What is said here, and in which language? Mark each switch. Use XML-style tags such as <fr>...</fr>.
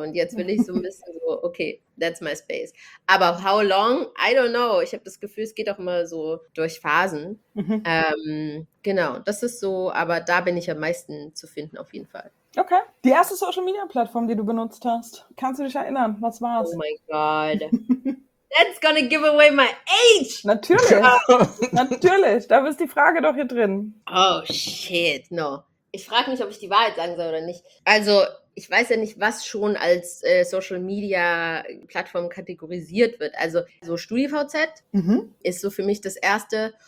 <de>Und jetzt will ich so ein bisschen so,</de> <en>okay, that's my space.</en> <de>Aber</de> <en>how long? I don't know.</en> <de>Ich habe das Gefühl, es geht auch immer so durch Phasen. Genau, das ist so. Aber da bin ich am meisten zu finden, auf jeden Fall. Okay. Die erste Social-Media-Plattform, die du benutzt hast. Kannst du dich erinnern? Was war's? Oh mein Gott.</de> <en>That's gonna give away my age!</en> <de>Natürlich! Natürlich! Da ist die Frage doch hier drin.</de> <en>Oh shit, no.</en> <de>Ich frage mich, ob ich die Wahrheit sagen soll oder nicht. Also, ich weiß ja nicht, was schon als Social Media Plattform kategorisiert wird. Also, so StudiVZ ist so für mich das erste.</de>